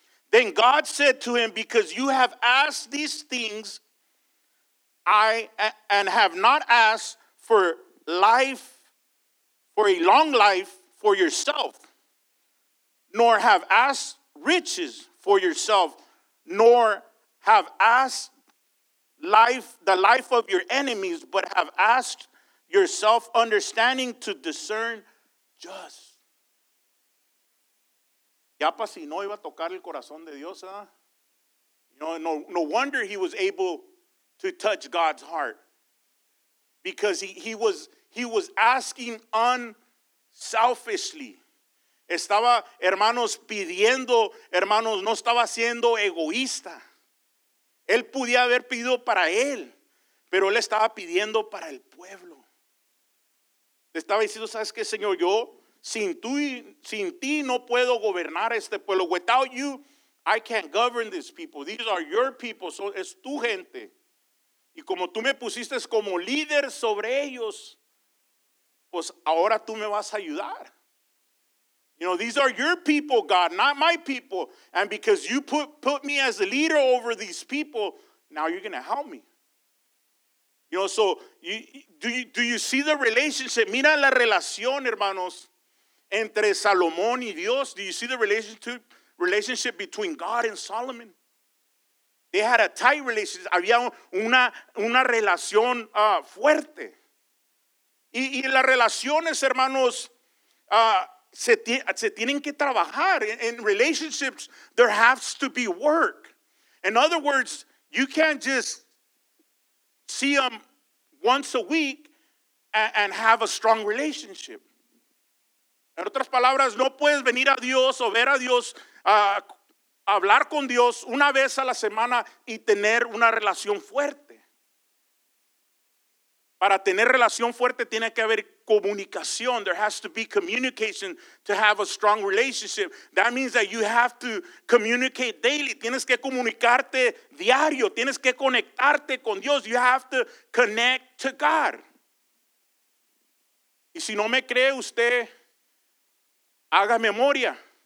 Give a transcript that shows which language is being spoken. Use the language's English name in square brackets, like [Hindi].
[English] Then God said to him, because you have asked these things, I and have not asked for life, for a long life for yourself, nor have asked riches for yourself, nor have asked the life of your enemies, but have asked yourself understanding to discern just. [Spanish] Ya pa si no iba a tocar el corazón de Dios, ¿eh? [English] No wonder he was able to touch God's heart. Because he was asking unselfishly. [Spanish] Estaba, hermanos, pidiendo, hermanos, no estaba siendo egoísta. Él podía haber pedido para él, pero él estaba pidiendo para el pueblo. Estaba diciendo, ¿sabes qué, Señor? Yo sin ti no puedo gobernar este pueblo. [English] Without you, I can't govern these people. These are your people, so [Spanish] es tu gente. Y como tú me pusiste como líder sobre ellos, pues ahora tú me vas a ayudar. [English] You know, these are your people, God, not my people. And because you put me as a leader over these people, now you're going to help me. You know, so do you see the relationship? [Spanish] Mira la relación, hermanos, entre Salomón y Dios. [English] Do you see the relationship between God and Solomon? They had a tight relationship. [Spanish] Había una relación fuerte. Y las relaciones, hermanos, se tienen que trabajar. [English] In relationships, there has to be work. In other words, you can't just see them once a week and have a strong relationship. [Spanish] En otras palabras, no puedes venir a Dios o ver a Dios, hablar con Dios una vez a la semana y tener una relación fuerte. Para tener relación fuerte tiene que haber comunicación. [English] There has to be communication to have a strong relationship. That means that you have to communicate daily. [Spanish] Tienes que comunicarte diario. Tienes que conectarte con Dios. [English] You have to connect to God. [Spanish] Y si no me cree usted, haga memoria.